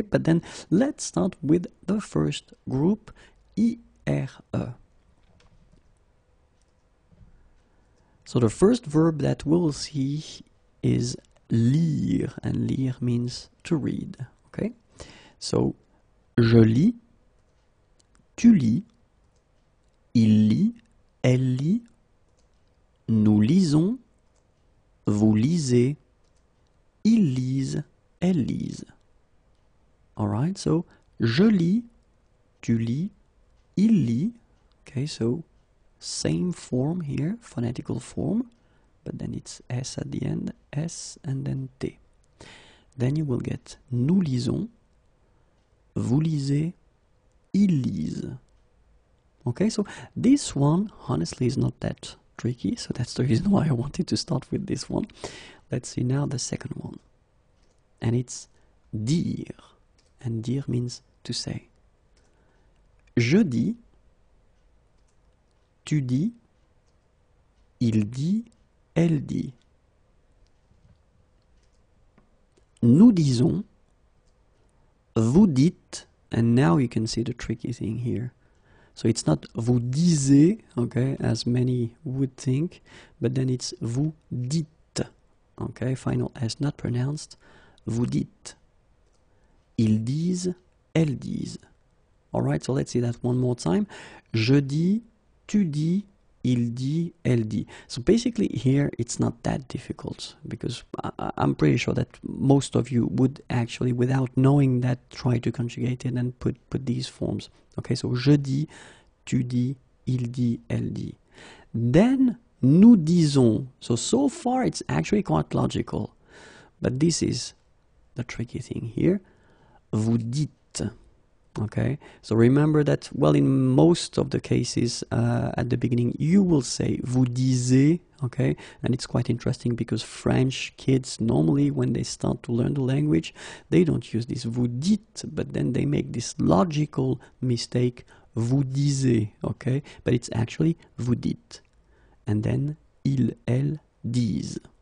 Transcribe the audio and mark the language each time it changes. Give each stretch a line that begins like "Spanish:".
English: But then let's start with the first group, IRE. So the first verb that we'll see is lire, and lire means to read, okay?
French: So, je lis, tu lis, il lit, elle lit, nous lisons, vous lisez, ils lisent, elles lisent.
English: Alright, so,
French: je lis, tu lis, il lit,
English: okay, so, same form here, phonetical form, but then it's S at the end, S and then T. Then you will get
French: nous lisons, vous lisez, ils lisent.
English: Okay, so this one honestly is not that tricky, so that's the reason why I wanted to start with this one. Let's see now the second one. And it's dire, and dire means to say.
French: Je dis, tu dis, il dit, elle dit. Nous disons, vous dites,
English: and now you can see the tricky thing here. So it's not
French: vous disez,
English: okay, as many would think, but then it's
French: vous dites,
English: okay, final S not pronounced, vous dites.
French: Ils disent, elles disent.
English: Alright, so let's see that one more time.
French: Je dis, tu dis, il dit, elle dit.
English: So basically here it's not that difficult, because I'm pretty sure that most of you would actually, without knowing that, try to conjugate it and put these forms. Okay, so
French: je dis, tu dis, il dit, elle dit.
English: Then
French: nous disons.
English: So far it's actually quite logical, but this is the tricky thing here.
French: Vous dites.
English: Okay, so remember that, well, in most of the cases at the beginning, you will say
French: vous disiez,
English: okay, and it's quite interesting because French kids normally, when they start to learn the language, they don't use this
French: vous dites,
English: but then they make this logical mistake, vous disiez, okay, but it's actually vous dites, and then
French: ils, elles disent.